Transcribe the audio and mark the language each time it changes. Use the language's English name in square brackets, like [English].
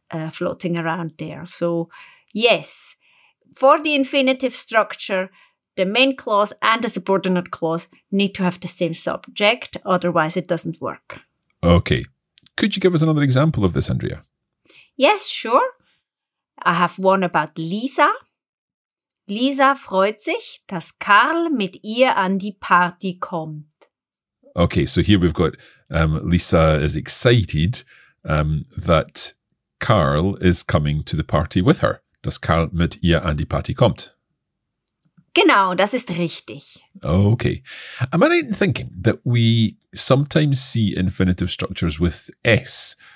[English] floating around there. So, yes, for the infinitive structure, the main clause and the subordinate clause need to have the same subject, otherwise it doesn't work. Okay. Could you give us another example of this, Andrea? Yes, sure. I have one about Lisa. [German] Lisa freut sich, dass Karl mit ihr an die Party kommt. [English] Okay, so here we've got Lisa is excited that Karl is coming to the party with her. [German] Dass Karl mit ihr an die Party kommt. Genau, das ist richtig. [English] Okay. Am I right in thinking that we sometimes see infinitive structures with S?